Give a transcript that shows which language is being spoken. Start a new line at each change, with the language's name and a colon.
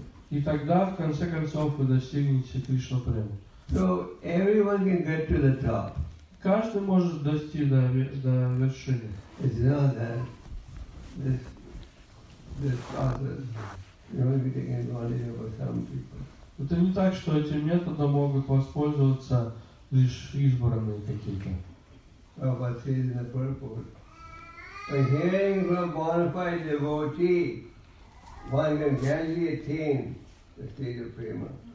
Russian: И тогда, в конце концов, вы достигнете Кришна Прему.
English: So everyone can get to the top.
Russian: Каждый может дойти до вершины.
English: It's not that this process you're only taking advantage of some people.
Russian: Это не так, что этим методом могут воспользоваться лишь избранные какие-то.
English: Oh, but see in the purport. By hearing from bona fide devotee, one can gradually attain the state of prema.